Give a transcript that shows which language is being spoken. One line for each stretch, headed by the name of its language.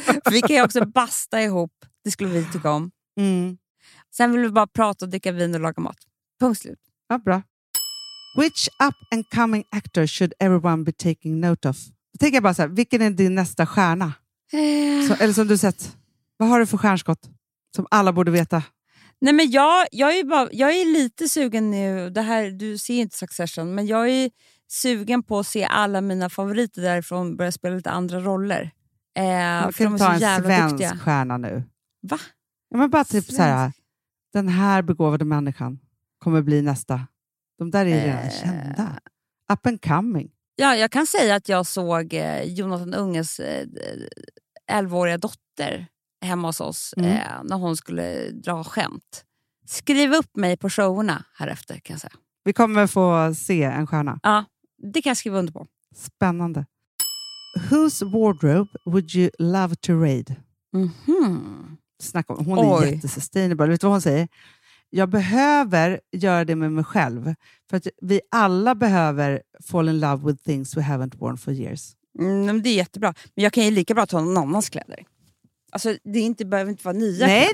Swedish: Vi kan ju också basta ihop. Det skulle vi tycka om. Sen vill vi bara prata och dricka vin och laga mat. Punkt slut. Ja, bra.
English: Which up and coming actor should everyone be taking note of?
Swedish: Tänk bara så här, vilken är din nästa stjärna? Eller som du sett, vad har du för stjärnskott som alla borde veta? Nej, men jag är lite sugen nu. Det här, du ser inte Succession, men jag är sugen på att se alla mina favoriter därifrån börja spela lite andra roller. Kan ta en svensk stjärna nu. Va? Ja, men bara typ svensk. Så här, den här begåvade människan kommer bli nästa. De där är redan kända.
English: Up and coming.
Swedish: Ja, jag kan säga att jag såg Jonathan Unges 11-åriga dotter hemma hos oss när hon skulle dra skämt. Skriv upp mig på showerna här efter, kan jag säga. Vi kommer få se en stjärna. Ja, det kan jag skriva under på. Spännande.
English: Whose wardrobe would you love to raid?
Swedish: Snacka om, hon är jättesustainable. Vet du vad hon säger? Jag behöver göra det med mig själv. För att vi alla behöver
English: fall in love with things we haven't worn for years.
Swedish: Men det är jättebra. Men jag kan ju lika bra ta någon annans kläder. Alltså det är inte, behöver inte vara nya.